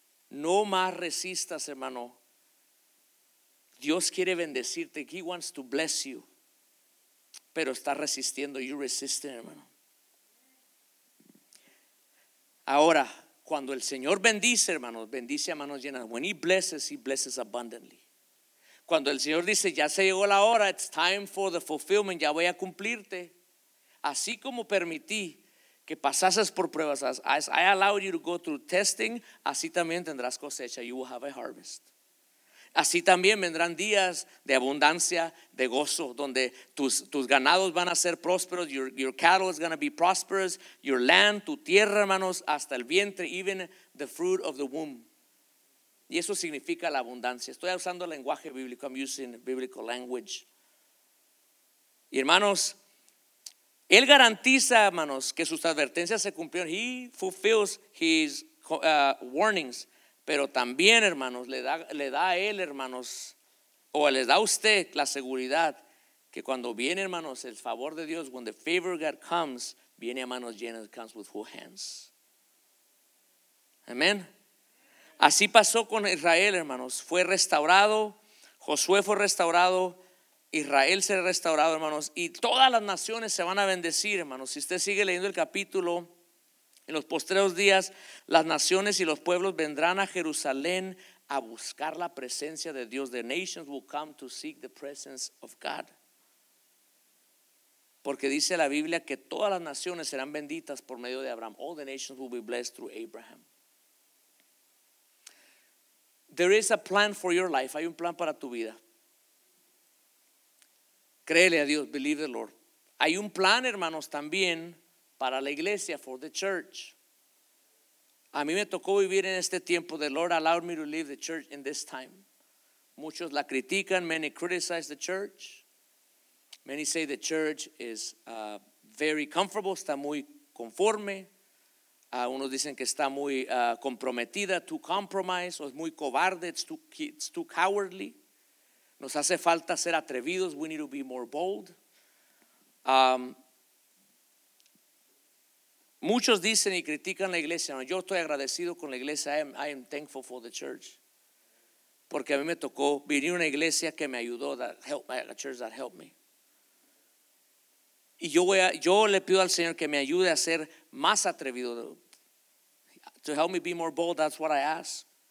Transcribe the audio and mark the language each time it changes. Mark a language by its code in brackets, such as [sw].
[es] No más resistas, hermano. Dios quiere bendecirte. [en] He wants to bless you. [es] Pero está resistiendo, [en] you resisting, hermano. [es] Ahora, cuando el Señor bendice, hermanos, bendice a manos llenas. [en] When he blesses abundantly. [es] Cuando el Señor dice, ya se llegó la hora, [en] it's time for the fulfillment, [es] ya voy a cumplirte. Así como permití que pasases por pruebas, [en] as I allowed you to go through testing, [es] así también tendrás cosecha, [en] you will have a harvest. [es] Así también vendrán días de abundancia, de gozo, donde tus ganados van a ser prósperos, [en] your cattle is going to be prosperous, your land, [es] tu tierra, hermanos, hasta el vientre, [en] even the fruit of the womb. [es] Y eso significa la abundancia. Estoy usando el lenguaje bíblico, [en] I'm using biblical language. [es] Y hermanos, Él garantiza, hermanos, que sus advertencias se cumplieron. [en] He fulfills His warnings. [es] Pero también, hermanos, le da a Él, hermanos, o les da a usted la seguridad que cuando viene, hermanos, el favor de Dios, [en] when the favor of God comes, [es] viene a manos llenas, [en] comes with full hands. [es] Amén. Así pasó con Israel, hermanos. Fue restaurado, Josué fue restaurado, Israel se restauró, hermanos, y todas las naciones se van a bendecir, hermanos. Si usted sigue leyendo el capítulo, en los postreros días, las naciones y los pueblos vendrán a Jerusalén a buscar la presencia de Dios. [en] The nations will come to seek the presence of God. [es] Porque dice la Biblia que todas las naciones serán benditas por medio de Abraham. [en] All the nations will be blessed through Abraham. There is a plan for your life. [es] Hay un plan para tu vida. Créele a Dios. [en] Believe the Lord. [es] Hay un plan, hermanos, también para la iglesia, [en] for the church. [es] A mí me tocó vivir en este tiempo. [en] The Lord allowed me to leave the church in this time. [es] Muchos la critican, [en] many criticize the church. Many say the church is very comfortable, [es] está muy conforme. Unos dicen que está muy comprometida, [en] too compromised, [es] o es muy cobarde, [en] it's too cowardly. [es] Nos hace falta ser atrevidos, [en] we need to be more bold. [es] Muchos dicen y critican la iglesia. No, yo estoy agradecido con la iglesia. [en] I am thankful for the church. [es] Porque a mí me tocó venir a una iglesia que me ayudó, [en] a church that helped me. [es] Y yo le pido al Señor que me ayude a ser más atrevido. [en] To help me be more bold, that's what I ask.